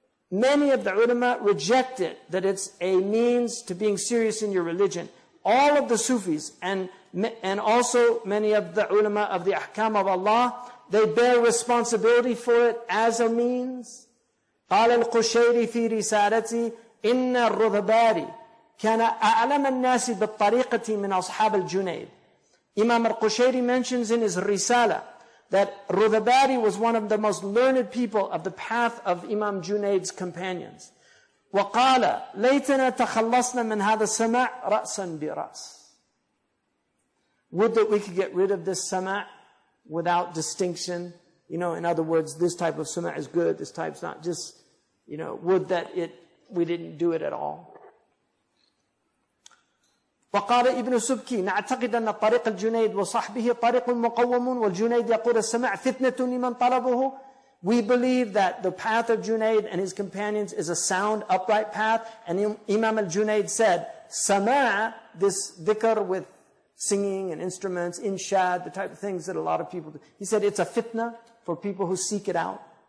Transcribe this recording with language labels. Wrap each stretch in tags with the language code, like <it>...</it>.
<en>Many of the ulama reject it, that it's a means to being serious in your religion. All of the Sufis and also many of the ulama of the ahkam of Allah, they bear responsibility for it as a means.</en> <ar>قال القشيري في رسالتي إن الرذباري كان أعلم الناس بالطريقة من أصحاب الجنيد.</ar> <en>Imam al-Qushayri mentions in his risala that Rudhabari was one of the most learned people of the path of Imam Junaid's companions.</en> <ar>وقال ليتنا تخلصنا من هذا السماع رأسا برأس.</ar> <en>Would that we could get rid of this sama' without distinction. You know, in other words, this type of sama' is good, this type's not. Just, you know, would that we didn't do it at all.</en> <ar>وقال ابن سبكي نعتقد أن طريق الجنيد وصحبه طريق مقوم والجنيد يقول السماع فتنة لمن طلبه.</ar> <en>We believe that the path of Junaid and his companions is a sound, upright path. And Imam al-Junaid said, sama', this dhikr with singing and instruments, inshad, the type of things that a lot of people do. He said, it's a fitna for people who seek it out.</en>